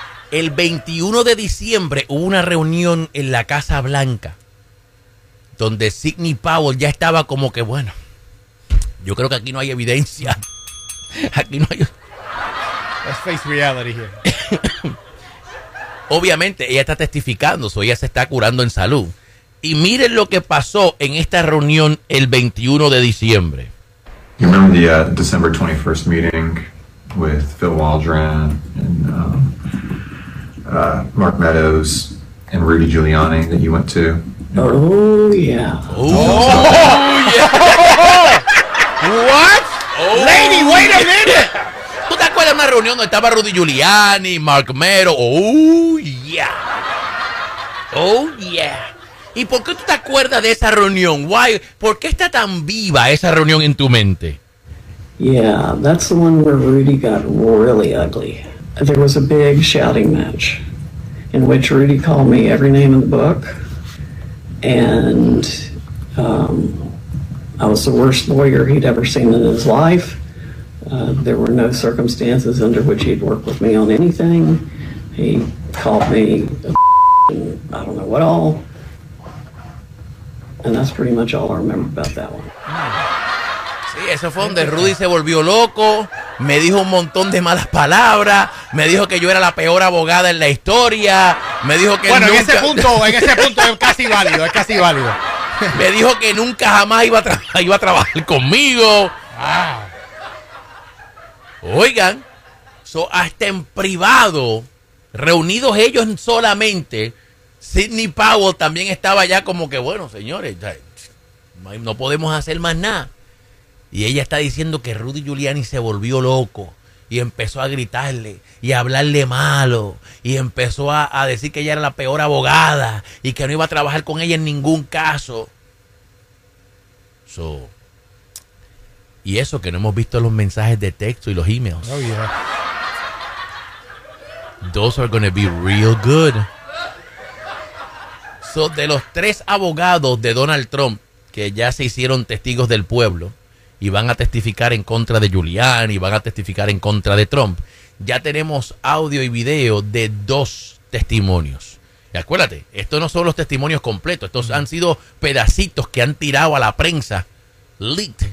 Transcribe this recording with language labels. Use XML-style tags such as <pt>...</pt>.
<es>El 21 de diciembre hubo una reunión en la Casa Blanca donde Sidney Powell ya estaba como que, bueno, yo creo que aquí no hay evidencia. Aquí no hay...</es> <en>Let's face reality here.</en> <es>obviamente ella está testificando, o ella se está curando en salud. Y miren lo que pasó en esta reunión el 21 de diciembre.</es> <en>You remember the December 21st meeting with Phil Waldron and Mark Meadows and Rudy Giuliani that you went to? Oh yeah. What? Oh. Lady, wait a minute.</en> <es>¿Tú te acuerdas de una reunión donde estaba Rudy Giuliani, Mark Meadows?</es> <en>Oh yeah.</en> <es>¿Y por qué tú te acuerdas de esa reunión?</es> <en>Why?</en> <es>¿Por qué está tan viva esa reunión en tu mente?</es> <en>Yeah, that's the one where Rudy got really ugly. There was a big shouting match in which Rudy called me every name in the book. And I was the worst lawyer he'd ever seen in his life. There were no circumstances under which he'd work with me on anything. He called me a and I don't know what all. And that's pretty much all I remember about that one.</en> <es>Sí, eso fue donde Rudy se volvió loco, me dijo un montón de malas palabras, me dijo que yo era la peor abogada en la historia, me dijo que bueno, nunca... Bueno, en ese punto es casi válido. Me dijo que nunca jamás iba a trabajar conmigo. Ah. Oigan, hasta en privado, reunidos ellos solamente, Sidney Powell también estaba ya como que, bueno, señores, no podemos hacer más nada. Y ella está diciendo que Rudy Giuliani se volvió loco y empezó a gritarle y a hablarle malo y empezó a decir que ella era la peor abogada y que no iba a trabajar con ella en ningún caso. So, y eso que no hemos visto los mensajes de texto y los emails.</es> <en>Oh, yeah. Those are going to be real good.</en> <es>So, de los tres abogados de Donald Trump que ya se hicieron testigos del pueblo, y van a testificar en contra de Julián y van a testificar en contra de Trump. Ya tenemos audio y video de dos testimonios. Y acuérdate, estos no son los testimonios completos. Estos han sido pedacitos que han tirado a la prensa. Leaked.</es>